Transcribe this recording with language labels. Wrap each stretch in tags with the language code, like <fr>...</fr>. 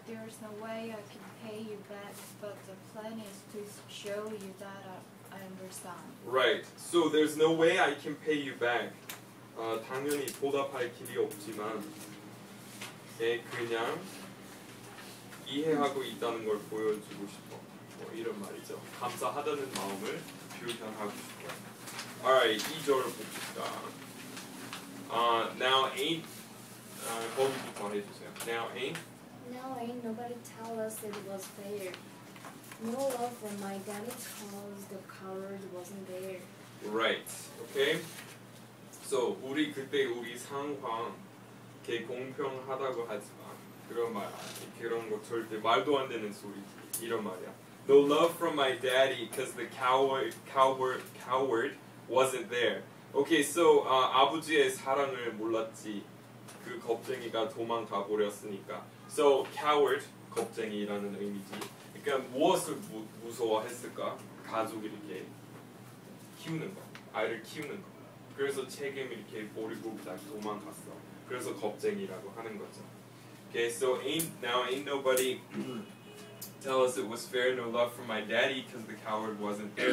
<en>There's no way I can pay you back, but the plan is to show you that I understand. Right. So there's no way I can pay you back.</en> <ko>당연히 보답할 길이 없지만, 네, 그냥 이해하고 있다는 걸 보여주고 싶어. 뭐 이런 말이죠. 감사하다는 마음을 표현하고 싶어.</ko> <en>Alright,</en> <ko>이 절을 봅시다.</ko> <en>Now, ain't</en> <ko>거기부터 말해주세요.</ko> <en>Now ain't nobody tell us it was fair. No love for my damage cause the coward wasn't there. Right. Okay.</en> <ko>So 우리 그때 우리 상황 개 공평하다고 하지만 그런 말 그런 거 절대 말도 안 되는 소리 이런 말이야.</ko> <en>No love from my daddy because the coward wasn't there. Okay.</en> <ko>So 아버지의 사랑을 몰랐지. 그 겁쟁이가 도망가 버렸으니까. So coward, 겁쟁이라는 의미지. 그러니까 무엇을 무서워했을까? 가족이 이렇게 키우는 거, 아이를 키우는 거. 그래서 책임 이렇게 버리고 딱 도망갔어. 그래서 겁쟁이라고 하는 거죠.</ko> <en>Okay, so ain't nobody tell us it was fair no love for my daddy because the coward wasn't there.</en>